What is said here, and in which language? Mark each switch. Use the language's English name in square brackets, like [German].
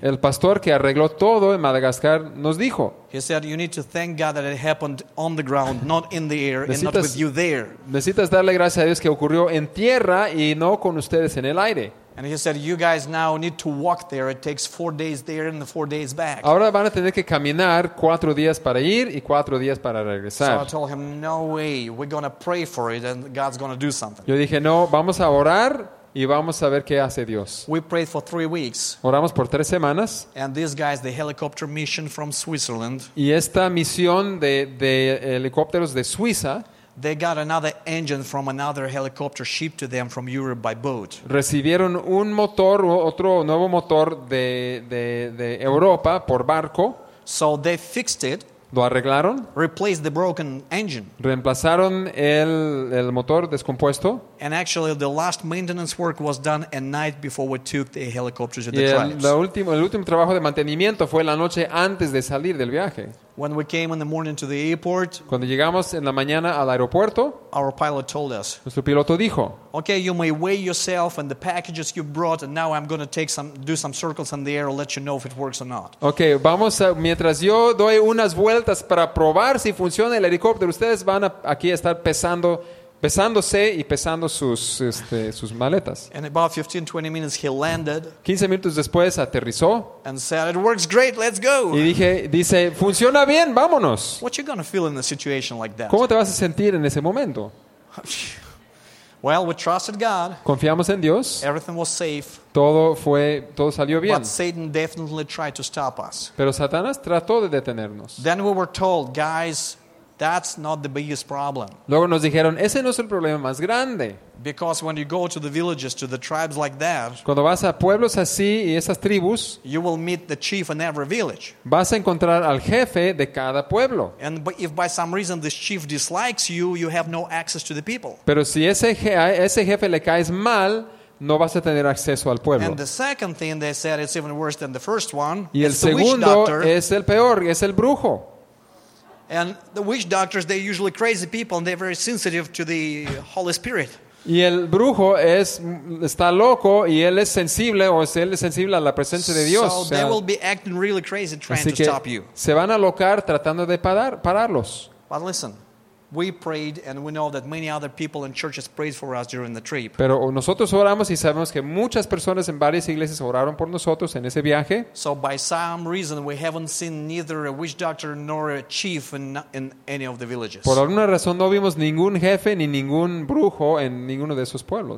[Spanish] El pastor que arregló todo en Madagascar nos dijo. [English] He said, "You need to thank God that it happened on the ground, not in the air, and not with you there." [Spanish] Necesitas darle gracias a Dios que ocurrió en tierra y no con ustedes en el aire. [English] And he said, "You guys now need to walk there. It takes 4 days there and 4 days back." [Spanish] Ahora van a tener que caminar 4 días para ir y 4 días para regresar. [English] So I told him, "No way. We're gonna pray for it, and God's gonna do something." [Spanish] Yo dije, no, vamos a orar y vamos a ver qué hace Dios. [English] We prayed for 3 weeks. [Spanish] Oramos por 3 semanas. [English] And these guys, the helicopter mission from Switzerland. [Spanish] Y esta misión de helicópteros de Suiza. [English] They got another engine from another helicopter shipped to them from Europe by boat. [Spanish] Recibieron un motor, otro nuevo motor de Europa por barco. [English] So they fixed it. [Spanish] Lo arreglaron. [English] Replaced the broken engine. [Spanish] Reemplazaron el motor descompuesto. [English] And actually, the last maintenance work was done at night before we took the helicopters to the tribes. [Spanish] El último trabajo de mantenimiento fue la noche antes de salir del viaje. [English] When we came in the morning to the airport, [Spanish] cuando llegamos en la mañana al aeropuerto, [English] our pilot told us, [Spanish] nuestro piloto dijo, [English] "Okay, you may weigh yourself and the packages you brought, and now I'm going to do some circles in the air and let you know if it works or not." [Spanish] Okay, vamos a, mientras yo doy unas vueltas para probar si funciona el helicóptero, ustedes van a aquí a estar pesando. Pesándose y pesando sus maletas. [English] And about 15-20 minutes he landed. [Spanish] 15 minutos después aterrizó. [English] And said, "It works great, let's go." [Spanish] Y dice, "Funciona bien, vámonos." [English] What you gonna feel in a situation like that? [Spanish] ¿Cómo te vas a sentir en ese momento? [English] Well, we trusted God. [Spanish] Confiamos en Dios. [English] Everything was safe. [Spanish] Todo salió bien. [English] But Satan definitely tried to stop us. [Spanish] Pero Satanás trató de detenernos. [English] Then we were told, "Guys, that's not the biggest problem." [Spanish] Luego nos dijeron, ese no es el problema más grande. [English] Because when you go to the villages, to the tribes like that, [Spanish] cuando vas a pueblos así y esas tribus, [English] you will meet the chief in every village. [Spanish] Vas a encontrar al jefe de cada pueblo. [English] And if by some reason this chief dislikes you, you have no access to the people. [Spanish] Pero si ese jefe le caes mal, no vas a tener acceso al pueblo. [English] And the second thing they said is even worse than the first one. [Spanish] Y el segundo es el peor, es el brujo. [English] And the witch doctors, they're usually crazy people, and they're very sensitive to the Holy Spirit. [Spanish] Y el brujo está loco y él es sensible o él es sensible a la presencia de Dios. [English] So they will be acting really crazy trying to stop you. [Spanish] Se van a locar tratando de pararlos. [English] But listen. We prayed, and we know that many other people and churches prayed for us during the trip. [Spanish] Pero nosotros oramos y sabemos que muchas personas en varias iglesias oraron por nosotros en ese viaje. [English] So by some reason, we haven't seen neither a witch doctor nor a chief in any of the villages. [Spanish] Por alguna razón no vimos ningún jefe ni ningún brujo en ninguno de esos pueblos.